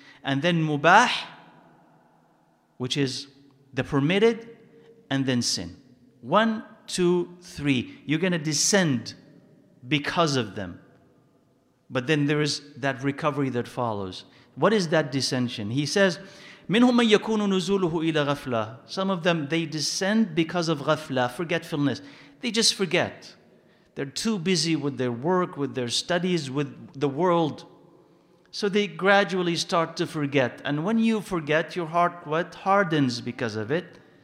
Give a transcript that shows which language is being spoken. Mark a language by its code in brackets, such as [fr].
[en] And then mubah, which is the permitted, and then sin. One, two, three. You're going to descend because of them. But then there is that recovery that follows. What is that dissension? He says, [ar] مِنْهُمْ مَنْ يَكُونُ نُزُولُهُ إِلَى غَفْلَةٍ. [en] Some of them, they descend because of ghafla, forgetfulness. They just forget. They're too busy with their work, with their studies, with the world. So they gradually start to forget. And when you forget, your heart what hardens because of it.